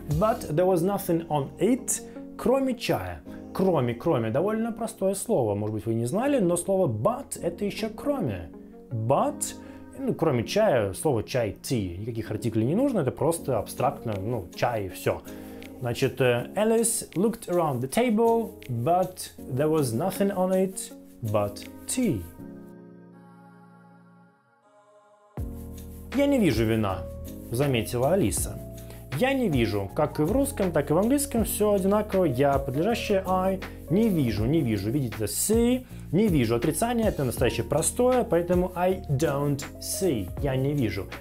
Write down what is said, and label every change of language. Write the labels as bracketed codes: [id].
[en] But there was nothing on it, [ru] кроме чая. Кроме, довольно простое слово, может быть, вы не знали, но слово but — это еще кроме. But, ну, кроме чая, слово чай, tea, никаких артиклей не нужно, это просто абстрактно, ну, чай и все. [en] Значит, Alice looked around the table, but there was nothing on it but tea. [ru] Я не вижу вина, заметила Алиса. Я не вижу, как и в русском, так и в английском, все одинаково. Я подлежащее I. Не вижу. Видите, это see. Не вижу. Отрицание — это настоящее простое, поэтому [en] I don't see. [ru] Я не вижу.